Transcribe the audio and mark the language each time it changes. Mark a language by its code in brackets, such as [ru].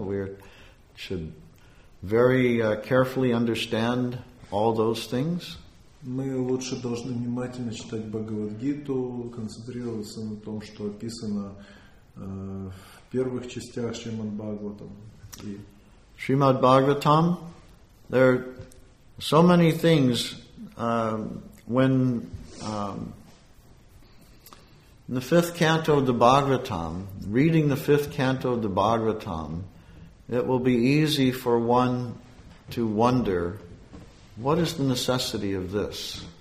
[en] We should very carefully understand all those things. [ru] Мы лучше должны внимательно читать Бхагавад Гиту, концентрироваться на том, что описано в первых частях Шримад Бхагаватам. [en] Srimad Bhagavatam, there are so many things when in the fifth canto of the Bhagavatam, reading the fifth canto of the Bhagavatam, it will be easy for one to wonder, what is the necessity of this?